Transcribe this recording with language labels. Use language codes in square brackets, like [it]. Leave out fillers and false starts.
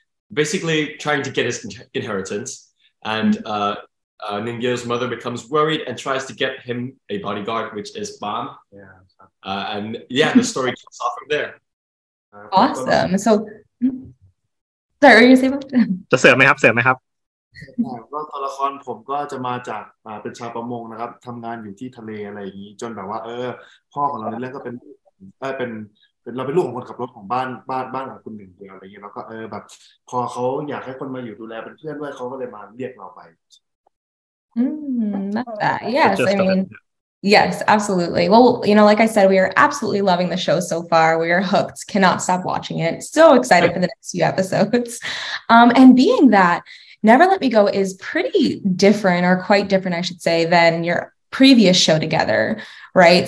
[en] Basically trying to get his inheritance. And Ningyo's mother becomes worried and tries to get him a bodyguard, which is Bam. Yeah. And yeah, the story kicks off from there. Awesome. So, sorry, what are you saying? Just say, I may have. [th] ก็ตัวละครผมก็จะมาจากเป็นชาวประมงนะครับทำงานอยู่ที่ทะเลอะไรอย่างนี้จนแบบว่าพ่อของเราเนี่ยก็เป็นเราเป็นลูกของคนขับรถของบ้านของคุณหนึ่งเดียวอะไรอย่างนี้แล้วก็แบบพอเขาอยากให้คนมาอยู่ดูแลเป็นเพื่อนด้วยเขาก็เลยมาเรียกเราไป [en] Yes, I mean, yes, absolutely. Well, you know, like I said, we are absolutely loving the show so far. We are hooked, cannot stop watching it. So excited for the next few episodes. And being that Never Let Me Go is pretty different, or quite different, I should say, than your previous show together, right?